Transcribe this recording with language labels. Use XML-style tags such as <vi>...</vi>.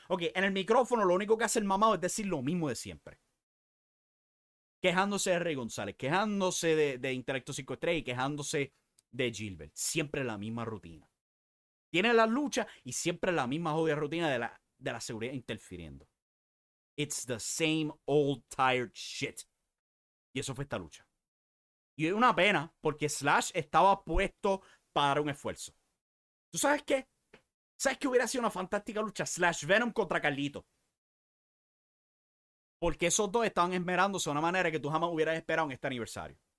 <es>Ok, en el micrófono lo único que hace el mamado es decir lo mismo de siempre. Quejándose de Rey González, quejándose de Intelecto 5-3 y quejándose de Gilbert. Siempre la misma rutina. Tiene la lucha y siempre la misma jodida rutina de la seguridad interfiriendo.</es> <en>It's the same old tired shit.</en> <es>Y eso fue esta lucha. Y es una pena porque Slash estaba puesto para un esfuerzo. ¿Tú sabes qué? ¿Sabes qué hubiera sido una fantástica lucha? Slash Venom contra Carlito. Porque esos dos estaban esmerándose de una manera que tú jamás hubieras esperado en este aniversario.</es>